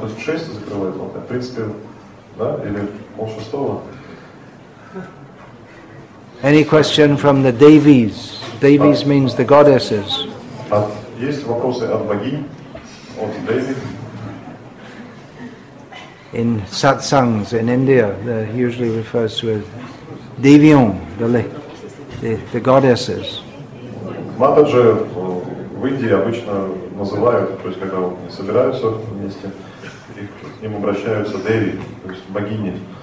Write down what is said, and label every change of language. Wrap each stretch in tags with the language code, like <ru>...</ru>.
<ru>То есть в 6 закрывает вот это. В принципе, да? Или пол шестого?</ru> <en>Any question from the Devis? Devis means the goddesses.</en> <ru>Есть вопросы от богинь, от Деви?</ru> <en>In satsangs in India, they usually refers to as Devion, the goddesses.</en> <ru>Матаджи в Индии обычно называют, то есть когда собираются вместе, к ним обращаются Деви, то есть богини.</ru>